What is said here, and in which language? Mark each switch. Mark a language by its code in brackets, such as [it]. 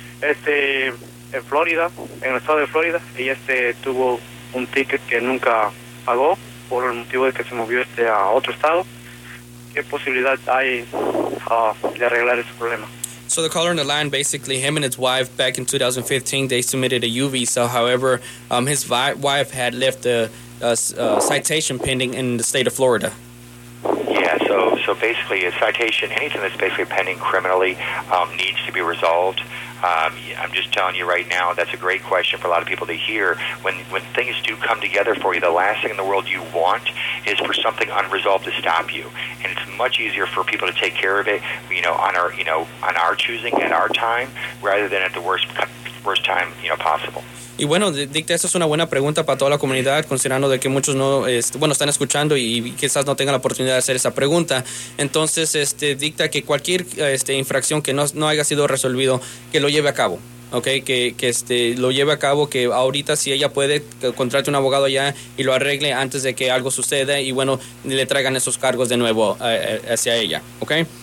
[es] En Florida, en el estado de Florida, ella tuvo un ticket que nunca pagó por el motivo de que se movió a otro estado. ¿Qué posibilidad hay de arreglar ese problema? [en] So the caller on the line, basically him and his wife, back in 2015, they submitted a U visa. However, his wife had left a citation pending in the state of Florida. Yeah, so basically a citation, anything that's basically pending criminally needs to be resolved. I'm just telling you right now, that's a great question for a lot of people to hear. When things do come together for you, the last thing in the world you want is for something unresolved to stop you. And it's much easier for people to take care of it, on our choosing at our time, rather than at the worst time, possible. [es] Y bueno, Dicta, esa es una buena pregunta para toda la comunidad, considerando de que muchos están escuchando y quizás no tengan la oportunidad de hacer esa pregunta. Entonces, Dicta, que cualquier infracción que no haya sido resolvido, que lo lleve a cabo, okay, que lo lleve a cabo, que ahorita si ella puede, contrate un abogado allá y lo arregle antes de que algo suceda y, bueno, le traigan esos cargos de nuevo hacia ella, okay.